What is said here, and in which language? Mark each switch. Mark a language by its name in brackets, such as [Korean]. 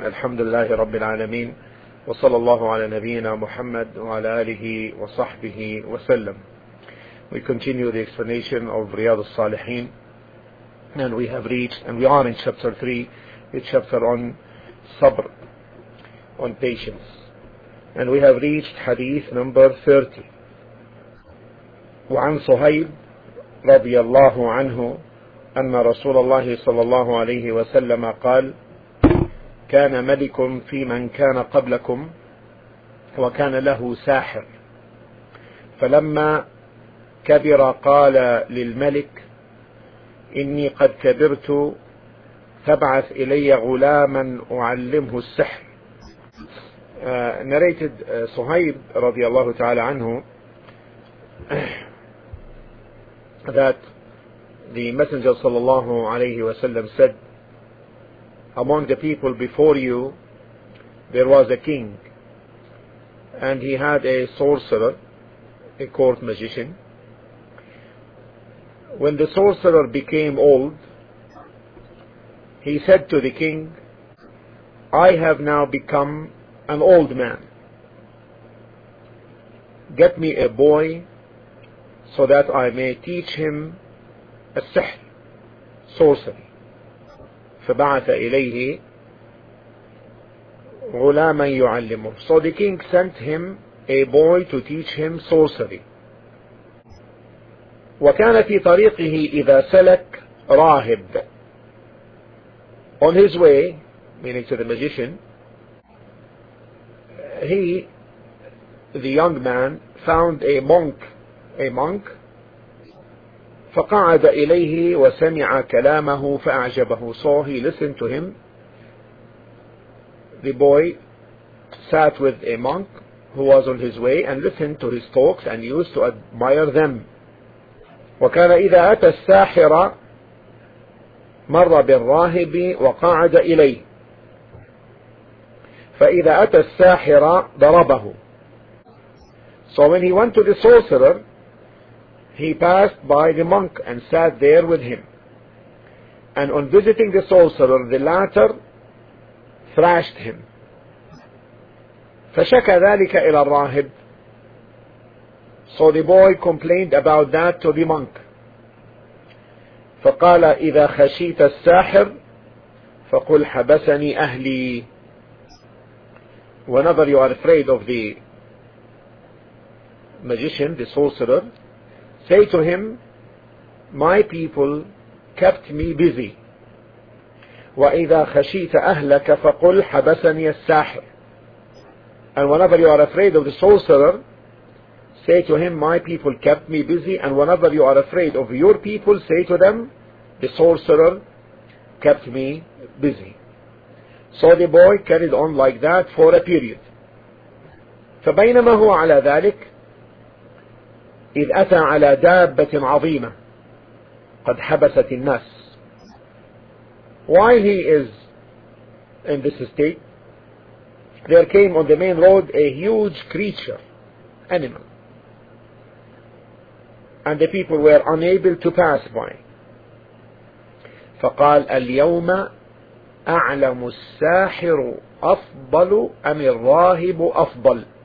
[Arabic] الحمد لله رب العالمين، وصلى الله على نبينا محمد وعلى آله وصحبه وسلم. [English] We continue the explanation of Riyad al-Salihin, and we have reached, and we are in chapter 3, the chapter on sabr, on patience. And we have reached hadith number 30. [Arabic] وعن صهيب رضي الله عنه أن رسول الله صلى الله عليه وسلم قال كان ملك في من كان قبلكم وكان له ساحر، فلما كبر قال للملك إني قد كبرت فابعث إلي غلاما أعلمه السحر. [English] Narrated صهيب رضي الله تعالى عنه that the Messenger sallallahu alayhi wa sallam said, among the people before you there was a king, and he had a sorcerer, a court magician. When the sorcerer became old, he said to the king, I have now become an old man. Get me a boy so that I may teach him السحر, sorcery. [Arabic] فبعث إليه غلاما يعلمه. [English] So the king sent him a boy to teach him sorcery. [Arabic] وكان في طريقه إذا سلك راهب. [English] On his way, meaning to the magician, he, the young man, found a monk, [Arabic] فقعد إليه وسمع كلامه فأعجبه. [English] So he listened to him. The boy sat with a monk who was on his way and listened to his talks and used to admire them. [Arabic] وكان إذا أتى الساحر مر بالراهب وقعد إليه. فإذا أتى الساحر ضربه. [English] So when he went to the sorcerer, he passed by the monk and sat there with him. And on visiting the sorcerer, the latter thrashed him. [Arabic] فشكى ذلك إلى الراهب. [English] So the boy complained about that to the monk. [Arabic] فقال إذا خشيت الساحر فقل حبسني أهلي. [English] Whenever you are afraid of the magician, the sorcerer, say to him, my people kept me busy. [Arabic] وَإِذَا خَشِيتَ أَهْلَكَ فَقُلْ حَبَسَنِيَ السَّاحِرِ. [English] And whenever you are afraid of the sorcerer, say to him, my people kept me busy. And whenever you are afraid of your people, say to them, the sorcerer kept me busy. So the boy carried on like that for a period. [Arabic] فَبَيْنَمَا هُوَ عَلَى ذَلِكَ إذ أتى على دابة عظيمة قد حبست الناس. [English] While he is in this state, there came on the main road a huge creature, animal, and the people were unable to pass by. [Arabic] فقال اليوم أعلم الساحر أفضل أم الراهب أفضل.